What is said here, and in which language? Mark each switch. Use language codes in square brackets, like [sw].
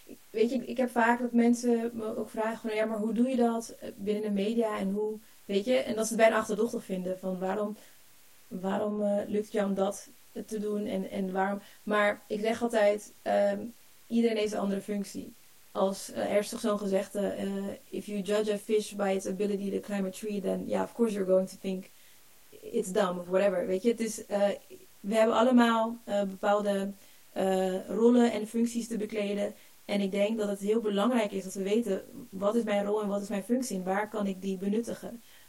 [nl] Weet je, ik heb vaak dat mensen me ook vragen van, ja, maar hoe doe je dat binnen de media en hoe, weet je, en dat ze het bijna achterdochtig vinden van waarom lukt het jou om dat te doen en waarom. Maar ik zeg altijd, iedereen heeft een andere functie. Als er is toch zo'n gezegde, [en] if you judge a fish by its ability to climb a tree, then yeah, of course you're going to think it's dumb of whatever. [nl] Weet je, het is, we hebben allemaal bepaalde rollen en functies te bekleden. En ik denk dat het heel belangrijk is dat we weten, wat is mijn rol en wat is mijn functie en waar kan ik die benuttigen?